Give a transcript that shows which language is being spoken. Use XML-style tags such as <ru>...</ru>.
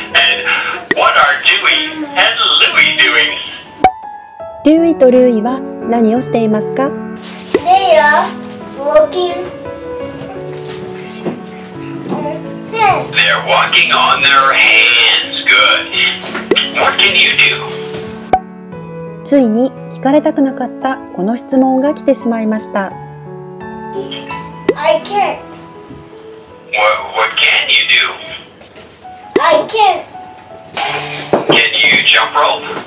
<en>And what are Dewey and Louie doing?</en> <ja>Dewey と Louie は何をしていますか?</ja> <en>They are walking on hands. They're walking on their hands. Good. What can you do?</en> <ja>ついに聞かれたくなかったこの質問が来てしまいました。</ja> <en>I can't. What can you do? I can't. Can you jump rope?</en>